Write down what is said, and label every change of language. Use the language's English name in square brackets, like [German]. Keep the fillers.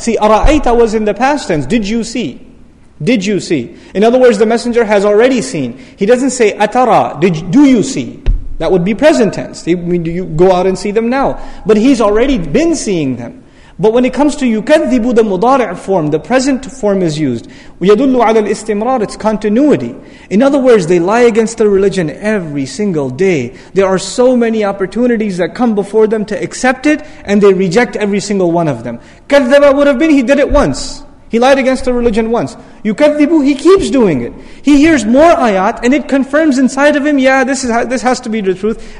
[English] See, ara'aita was in the past tense. Did you see? Did you see? In other words, the messenger has already seen. He doesn't say atara, did, do you see? That would be present tense. I mean, you go out and see them now. But he's already been seeing them. But when it comes to yukadhibu, the mudari' form, the present form is used. [Arabic] وَيَدُلُّ عَلَى الْإِسْتِمْرَارِ [English] It's continuity. In other words, they lie against the religion every single day. There are so many opportunities that come before them to accept it, and they reject every single one of them. كَذَّبَ would have been, he did it once. He lied against the religion once. Yukadhibu, he keeps doing it. He hears more ayat and it confirms inside of him, yeah, this, is, this has to be the truth.